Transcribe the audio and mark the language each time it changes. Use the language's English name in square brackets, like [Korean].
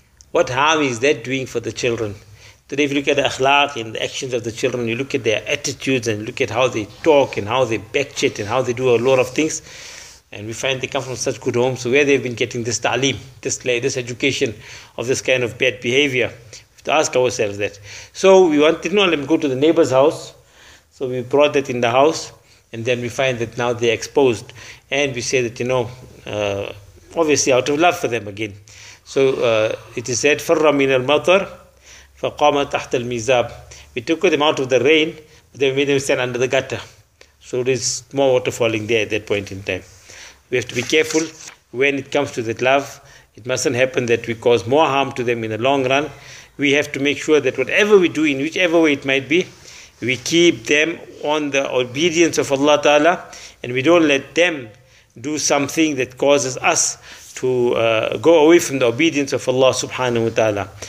[English] What harm is that doing for the children? Today, if you look at the akhlaq and the actions of the children, you look at their attitudes and look at how they talk and how they backchat and how they do a lot of things, and we find they come from such good homes, so where they've been getting this ta'lim, this education of this kind of bad behavior. We have to ask ourselves that. So we wanted to let them go to the neighbor's house. So we brought that in the house, and then we find that now they're exposed. And we say that, you know, obviously out of love for them again. So it is said, [Arabic] فَرَّ مِنَ الْمَطَرْ فَقَامَ تَحْتَ الْمِيزَابِ. [English] We took them out of the rain, but then we made them stand under the gutter. So there is more water falling there at that point in time. We have to be careful when it comes to that love. It mustn't happen that we cause more harm to them in the long run. We have to make sure that whatever we do, in whichever way it might be, we keep them on the obedience of Allah Ta'ala, and we don't let them do something that causes us to go away from the obedience of Allah Subhanahu Wa Ta'ala.